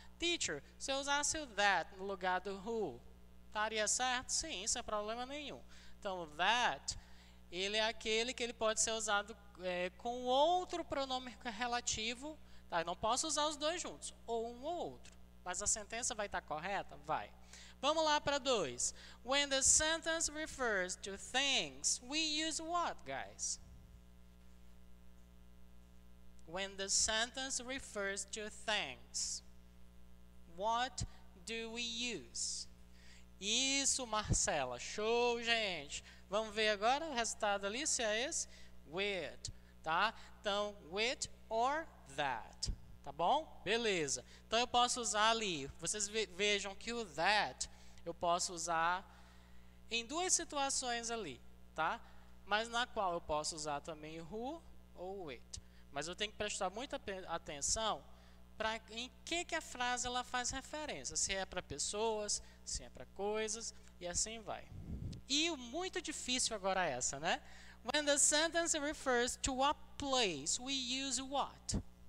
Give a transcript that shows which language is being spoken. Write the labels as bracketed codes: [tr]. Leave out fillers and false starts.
[pt] Teacher, se eu usasse o that no lugar do who, estaria certo? Sim, sem problema nenhum. Então, that, ele é aquele que ele pode ser usado com outro pronome relativo, tá? Eu não posso usar os dois juntos, ou um ou outro. Mas a sentença vai estar correta? Vai. Vamos lá para dois. [en] When the sentence refers to things, we use what, guys? When the sentence refers to things, what do we use? [pt] Isso, Marcela. Show, gente. Vamos ver agora o resultado ali, se é esse. With, tá? Então, [en] with or that, [pt] tá bom? Beleza. Então, eu posso usar ali. Vocês vejam que o that eu posso usar em duas situações ali, tá? Mas na qual eu posso usar também who ou with. Mas eu tenho que prestar muita atenção para em que a frase ela faz referência. Se é para pessoas, se é para coisas, e assim vai. E o muito difícil agora é essa, né? [en] When the sentence refers to a place, we use what?